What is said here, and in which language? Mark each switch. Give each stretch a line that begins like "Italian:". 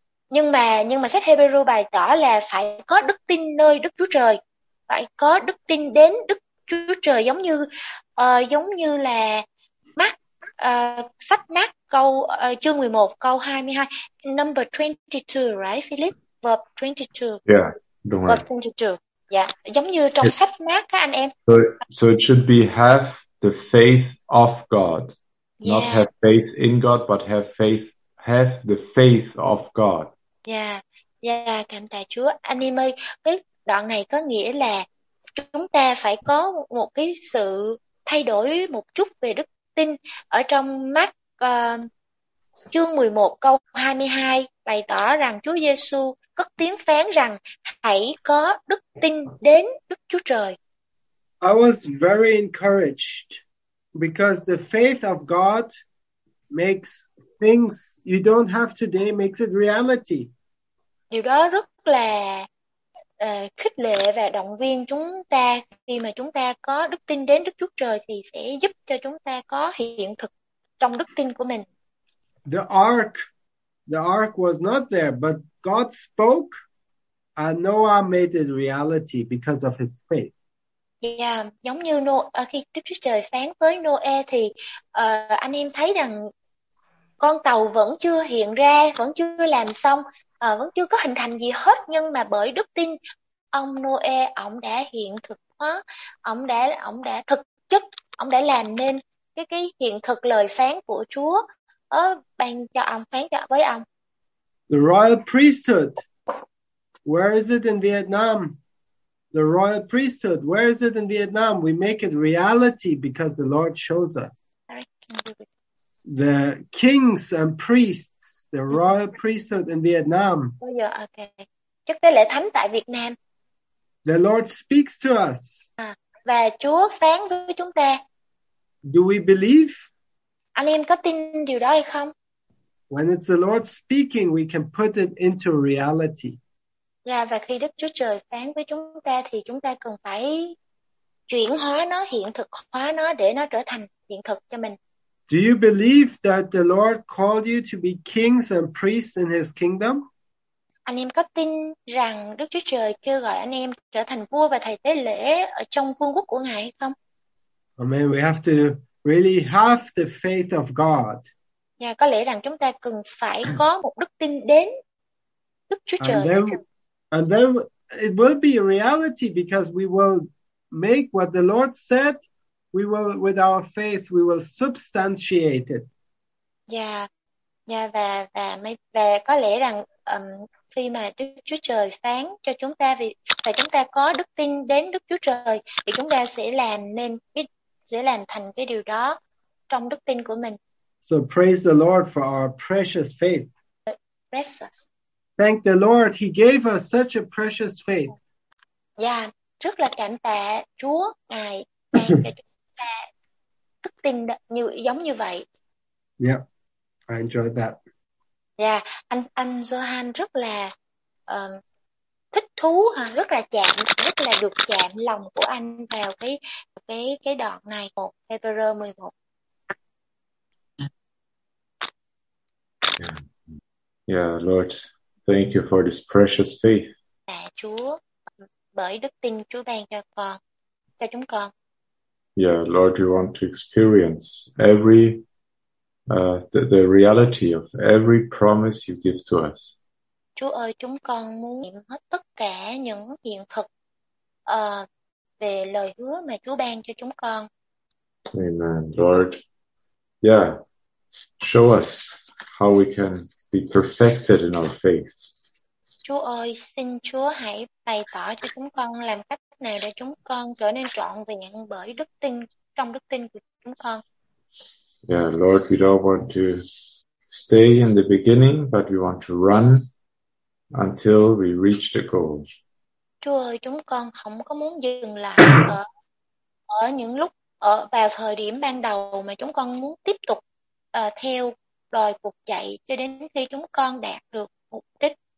Vietnamese: Nhưng mà sách Hebrew bày tỏ là phải có đức tin nơi Đức Chúa Trời, phải có đức tin đến Đức Chúa Trời giống như là sách Mark câu chương 11 câu 22,
English: number 22, right Philip, verb 22.
Vietnamese: Yeah, đúng
English: verb 22.
Vietnamese: Yeah, giống như trong sách Mark các anh em.
English: So it should be have the faith of God. Yeah. Not have faith in God but have the faith of God.
Vietnamese: Yeah, cảm tạ Chúa. Anh em ơi, cái đoạn này có nghĩa là chúng ta phải có một cái sự thay đổi một chút về đức tin. Ở trong Mark chương 11 câu 22 bày tỏ rằng Chúa Giê-xu cất tiếng phán rằng hãy có đức tin đến Đức Chúa Trời.
English: I was very encouraged because the faith of God makes things you don't have today makes it reality.
Vietnamese: Điều đó rất là khích lệ và động viên chúng ta khi mà chúng ta có đức tin đến Đức Chúa Trời thì sẽ giúp cho chúng ta có hiện thực trong đức tin của mình.
English: The ark was not there, but God spoke and Noah made it reality because of his faith.
Vietnamese: Yeah, giống như khi Đức Chúa Trời phán với Noe thì anh em thấy rằng con tàu vẫn chưa hiện ra, vẫn chưa làm xong, vẫn chưa có hình thành gì hết. Nhưng mà bởi đức tin, ông Noe, ông đã hiện thực hóa, ông đã thực chất, ông đã làm nên cái hiện thực lời phán của Chúa, ban cho ông, phán cho với ông.
English: The royal priesthood, where is it in Vietnam? The royal priesthood, where is it in Vietnam? We make it reality because the Lord shows us. The kings and priests, the royal priesthood in Vietnam. Oh, yeah, okay.
Vietnamese: Chức tế lễ thánh tại Việt Nam.
English: The Lord speaks to us.
Vietnamese: Và Chúa phán với chúng ta.
English: Do we believe?
Vietnamese: Anh em có tin điều đó hay không?
English: When it's the Lord speaking, we can put it into reality.
Vietnamese: ra và khi Đức Chúa Trời phán với chúng ta thì chúng ta cần phải chuyển hóa nó, hiện thực hóa nó để nó trở thành hiện thực cho mình.
English: Do you believe that the Lord called you to be kings and priests in his kingdom?
Vietnamese: Anh em có tin rằng Đức Chúa Trời kêu gọi anh em trở thành vua và thầy tế lễ ở trong vương quốc của Ngài hay không?
English: Amen. We have to really have the faith of God.
Vietnamese: Yeah, có lẽ rằng chúng ta cần phải có một đức tin đến Đức Chúa Trời.
English: And then it will be a reality because we will make what the Lord said. We will, with our faith, we will substantiate it. Yeah.
Vietnamese: Yeah, và có lẽ rằng khi mà Đức Chúa Trời phán cho chúng ta và chúng ta có đức tin đến Đức Chúa Trời thì chúng ta sẽ làm thành cái điều đó trong đức tin của mình.
English: So praise the Lord for our precious faith. Precious. Thank the Lord, he gave us such a precious faith.
Vietnamese: Yeah, rất là cảm tạ Chúa Ngài đức tin như giống như vậy.
English: Yeah, I enjoyed that.
Vietnamese: Yeah, anh Johan rất là thích thú, rất là chạm, rất là được chạm lòng của anh vào cái đoạn này của Hebrews 11.
English: Yeah, Lord, thank you for this precious faith.
Vietnamese: Dạ Chúa, bởi đức tin Chúa ban cho chúng con.
English: Yeah, Lord, we want to experience the reality of every promise you give to us.
Vietnamese: Chúa ơi, chúng con muốn nghiệm hết tất cả những hiện thực về lời hứa mà Chúa ban cho chúng con.
English: Amen, Lord. Yeah, show us how we can be perfected in our faith.
Vietnamese: Chúa ơi, xin Chúa hãy bày tỏ cho chúng con làm cách nào để chúng con trở nên trọn vẹn bởi đức tin, trong đức tin của chúng con.
English: Yeah, Lord, we don't want to stay in the beginning, but we want to run until we reach the goal.
Vietnamese: Chúa ơi, chúng con không có muốn dừng lại ở những lúc ở vào thời điểm ban đầu, mà chúng con muốn tiếp tục theo đòi cuộc chạy cho đến khi chúng con đạt được mục đích.